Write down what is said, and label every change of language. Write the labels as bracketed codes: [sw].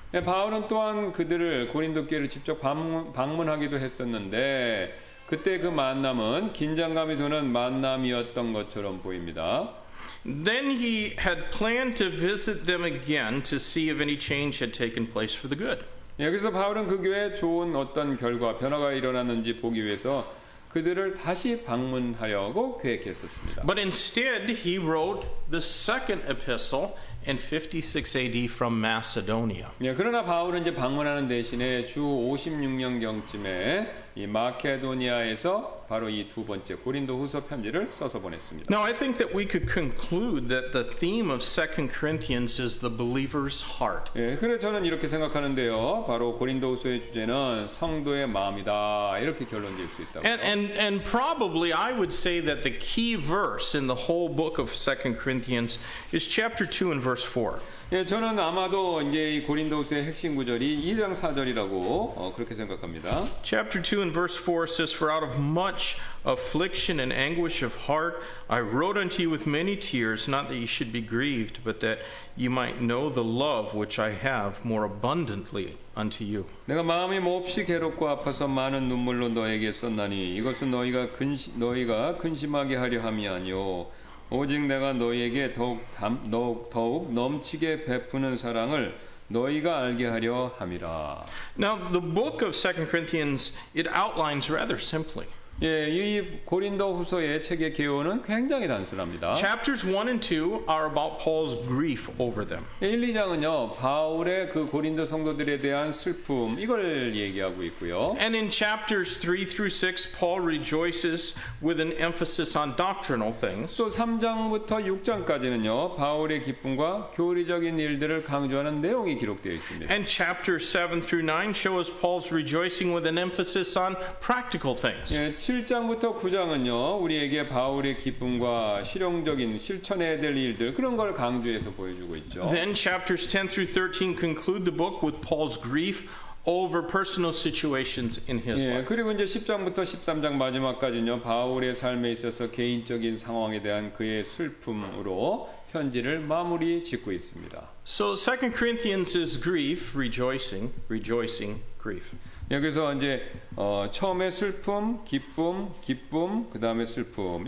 [ko] 예, 바울은 또한 그들을 고린도 교회를 직접 방문하기도 했었는데. 그때 그 만남은 긴장감이 도는 만남이었던 것처럼 보입니다. [en] Then he had planned to visit them again to see if any change had taken place for the good. [ko] 예, 그래서 바울은 그 교회에 좋은 어떤 결과 변화가 일어났는지 보기 위해서 그들을 다시 방문하려고 계획했었습니다. [en] But instead he wrote the second epistle in 56 AD from Macedonia. [ko] 예, 그러나 바울은 이제 방문하는 대신에 주 56년경쯤에 이 마케도니아에서 바로 이 두 번째 고린도후서 편지를 써서 보냈습니다. [en] Now I think that we could conclude that the theme of 2 Corinthians is the believer's heart. [ko] 예, 그래 저는 이렇게 생각하는데요. 바로 고린도후서의 주제는 성도의 마음이다. 이렇게 결론 지을 수 있다고. [en] And probably I would say that the key verse in the whole book of 2 Corinthians is chapter 2 and verse 4. [ko] 예, 저는 아마도 이제 이 고린도후서의 핵심 구절이 2장 4절이라고 그렇게 생각합니다. [en] Chapter 2 and verse 4 says, "For out of much affliction and anguish of heart, I wrote unto you with many tears, not that you should be grieved, but that you might know the love which I have more abundantly unto you." [ko] 내가 마음이 몹시 괴롭고 아파서 많은 눈물로 너에게 썼나니 이것은 너희가 근심하게 하려 함이 아니요. 오직 내가 너희에게 더욱 넘치게 베푸는 사랑을 너희가 알게 하려 함이라. [en] Now the book of 2 Corinthians it outlines rather simply. [ko] 예, 이 고린도후서의 책의 개요는 굉장히 단순합니다. [en] Chapters 1 and 2 are about Paul's grief over them. [ko] 예, 1, 2장은요. 바울의 그 고린도 성도들에 대한 슬픔 이걸 얘기하고 있고요. [en] And in chapters 3 through 6 Paul rejoices with an emphasis on doctrinal things. [ko] 또 3장부터 6장까지는요. 바울의 기쁨과 교리적인 일들을 강조하는 내용이 기록되어 있습니다. [en] And chapters 7 through 9 show us Paul's rejoicing with an emphasis on practical things. [ko] 예, 7장부터 9장은요 우리에게 바울의 기쁨과 실용적인 실천해야 될 일들 그런 걸 강조해서 보여주고 있죠. [en] Then chapters 10 through 13 conclude the book with Paul's grief over personal situations in his 예, life. [ko] 그리고 이제 10장부터 13장 마지막까지는요. 바울의 삶에 있어서 개인적인 상황에 대한 그의 슬픔으로 편지를 마무리 짓고 있습니다. [en] So 2 Corinthians is grief, rejoicing, rejoicing, grief. [ko] 여기서 이제 처음에 슬픔, 기쁨, 기쁨, 그다음에 슬픔.